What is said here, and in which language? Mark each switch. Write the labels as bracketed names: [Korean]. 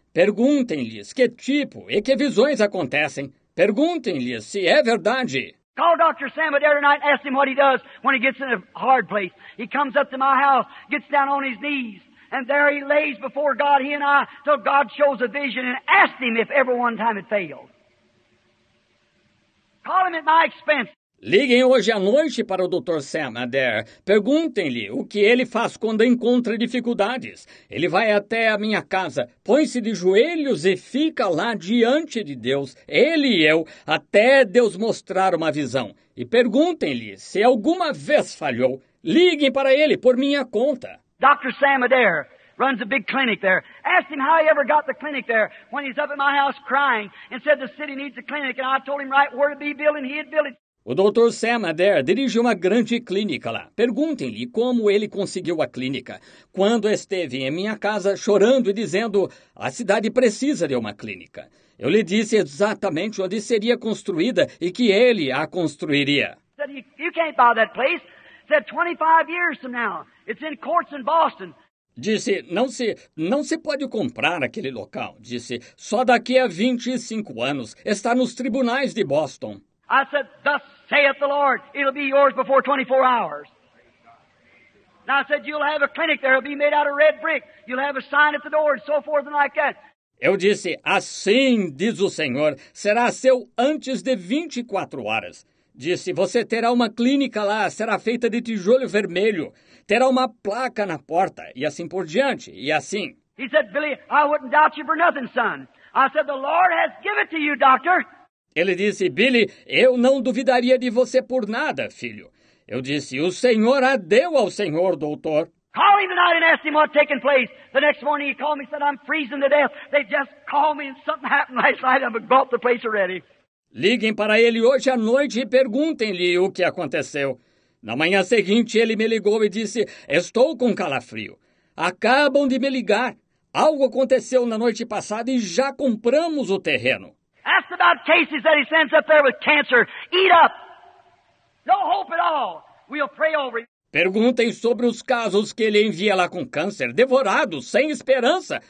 [Portuguese] Perguntem-lhes que tipo e que visões acontecem. Perguntem-lhes se é verdade. [English] Call Dr. Sam Adair tonight. Ask him what he does when he gets in a hard place. He comes up to my house, gets down on his knees, and there he lays before God, he and I, till God shows a vision and asks him if ever one time it failed. Call him at my expense. [Portuguese] Liguem hoje à noite para o Dr. Sam Adair. Perguntem-lhe o que ele faz quando encontra dificuldades. Ele vai até a minha casa, põe-se de joelhos e fica lá diante de Deus, ele e eu, até Deus mostrar uma visão. E perguntem-lhe se alguma vez falhou. Liguem para ele por minha conta. [English] Dr. Sam Adair runs a big clinic there. Ask him how he ever got the clinic there when he's up at my house crying and said the city needs a clinic and I told him right where to be building, he'd build it. [Portuguese] O Dr. Sam Adair dirige uma grande clínica lá. Perguntem-lhe como ele conseguiu a clínica. Quando esteve em minha casa chorando e dizendo, a cidade precisa de uma clínica. Eu lhe disse exatamente onde seria construída e que ele a construiria. [English] You can't buy that place. Said 25 years from now. It's in courts in Boston. [Portuguese] Disse, não se pode comprar aquele local. Disse, só daqui a 25 anos. Está nos tribunais de Boston. [English] I said, thus saith the Lord, it'll be yours before 24 hours. And I said, you'll have a clinic there, it'll be made out of red brick. You'll have a sign at the door and so forth and like that. [Portuguese] Eu disse, assim diz o Senhor, será seu antes de 24 horas. Disse, você terá uma clínica lá, será feita de tijolo vermelho. Terá uma placa na porta e assim por diante, e assim. [English] He said, Billy, I wouldn't doubt you for nothing, son. I said, the Lord has given it to you, doctor. [Portuguese] Ele disse, Billy, eu não duvidaria de você por nada, filho. Eu disse, o Senhor a deu ao Senhor, doutor. [English] Call him tonight and ask him what's taking place. The next morning he called me and said, I'm freezing to death. They just called me and something happened last night. I've got the place already. [Portuguese] Liguem para ele hoje à noite e perguntem-lhe o que aconteceu. Na manhã seguinte ele me ligou e disse, estou com calafrio. Acabam de me ligar. Algo aconteceu na noite passada e já compramos o terreno. [English] Ask about cases that he sends up there with cancer. Eat up. No hope at all. We'll pray over it. [Portuguese] Perguntem sobre os casos que ele envia lá com câncer, devorado, sem esperança.